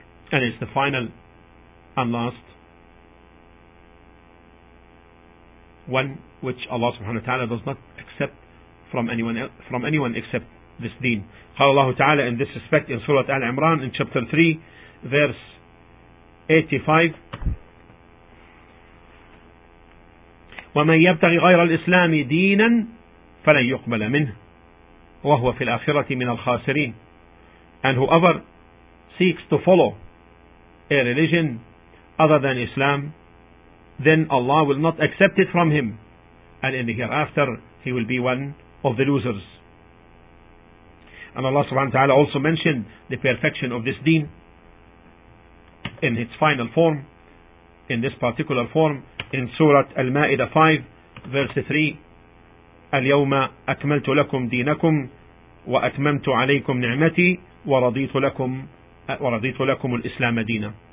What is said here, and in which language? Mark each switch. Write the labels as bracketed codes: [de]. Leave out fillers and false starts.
[en] and it's the final and last one which Allah subhanahu wa ta'ala does not accept from anyone else, from anyone except this deen. [ar] قال الله تعالى [en] in this respect in Surah Al Imran in chapter 3 verse 85, [ar] وَمَنْ يَبْتَغِ غَيْرَ الْإِسْلَامِ دِينًا فَلَنْ يُقْبَلَ مِنْهُ وَهُوَ فِي الْآخِرَةِ مِنَ الْخَاسِرِينَ. [en] And whoever seeks to follow a religion other than Islam, then Allah will not accept it from him, and in the hereafter he will be one of the losers. And Allah subhanahu wa ta'ala also mentioned the perfection of this deen in its final form, in this particular form, in Surah Al-Ma'idah 5 verse 3, [ar] الْيَوْمَ أَكْمَلْتُ لَكُمْ دِينَكُمْ وَأَتْمَمْتُ عَلَيْكُمْ نِعْمَتِي وَرَضِيتُ لَكُمُ الْإِسْلَامَ دِينَ.